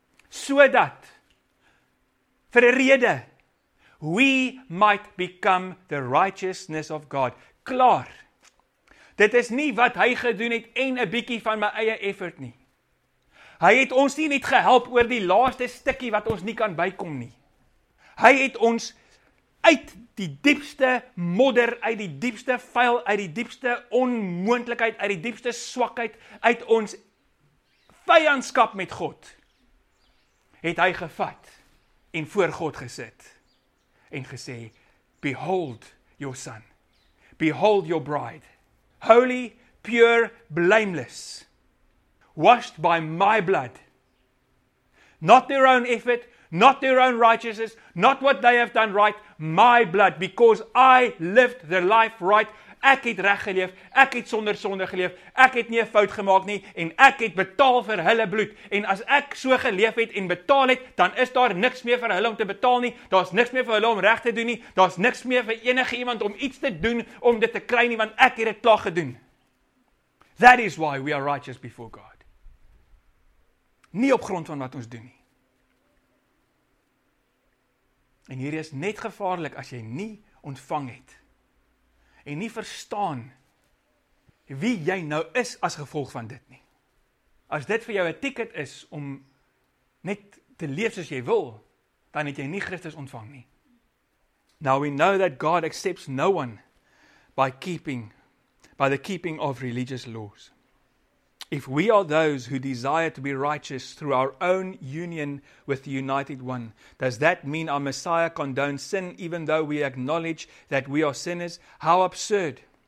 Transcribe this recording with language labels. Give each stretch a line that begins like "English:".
English: So that,
Afrikaans: vir 'n rede,
English: we might become the righteousness of God.
Afrikaans: Klaar. Dit is nie wat hy gedoen het en 'n bietjie van my eie effort nie. Hy het ons nie net gehelp oor die laaste stukkie wat ons nie kan bykom nie. Hy het ons uit die diepste modder, uit die diepste vuil, uit die diepste onmoontlikheid, uit die diepste swakheid, uit ons vyandskap met God, het hy gevat en voor God gesit. En gesê,
English: behold your son, behold your bride, holy, pure, blameless, washed by my blood. Not their own effort, Not their own righteousness, not what they have done right, my blood, because I lived the life right.
Afrikaans: Ek het reg geleef, ek het sonder sonde geleef, ek het nie 'n fout gemaak nie en ek het betaal vir hulle bloed. En as ek so geleef het en betaal het, dan is daar niks meer vir hulle om te betaal nie. Daar's niks meer vir hulle om reg te doen nie. Daar's niks meer vir enige iemand om iets te doen om dit te kry nie, want ek het dit klaar gedoen.
English: That is why we are righteous before God.
Afrikaans: Nie op grond van wat ons doen nie. En hier is net gevaarlik as jy nie ontvang het en nie verstaan wie jy nou is as gevolg van dit nie. As dit vir jou 'n ticket is om net te leef soos jy wil, dan het jy nie Christus ontvang nie.
English: Now we know that God accepts no one by the keeping of religious laws. If we are those who desire to be righteous through our own union with the United One, does that mean our Messiah condones sin even though we acknowledge that we are sinners? How absurd.